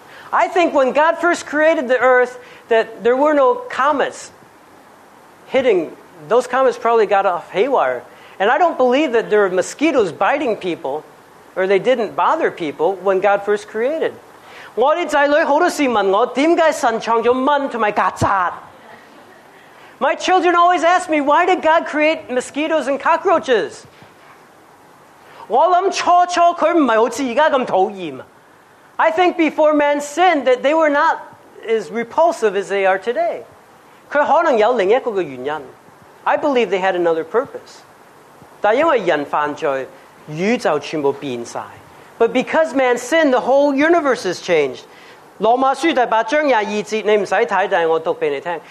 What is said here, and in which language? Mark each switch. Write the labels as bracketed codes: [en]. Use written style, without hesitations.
[en] I think when God first created the earth, that there were no comets hitting. Those comets probably got off haywire. And I don't believe that there are mosquitoes biting people, or they didn't bother people when God first created. [zh] 我的子女很多时问我,为什么神创造蚊和蟑螂? [en] My children always ask me, why did God create mosquitoes and cockroaches? [zh] 我想初初他不是像现在那么讨厌。 [en] I think before man sinned that they were not as repulsive as they are today. [zh] 他可能有另一个原因。 [en] I believe they had another purpose. [zh] 但因为人犯罪,宇宙全部变晒。 [en] But because man sinned, the whole universe has changed. [zh] 罗马书第8章22节,你不用看,但我读给你听。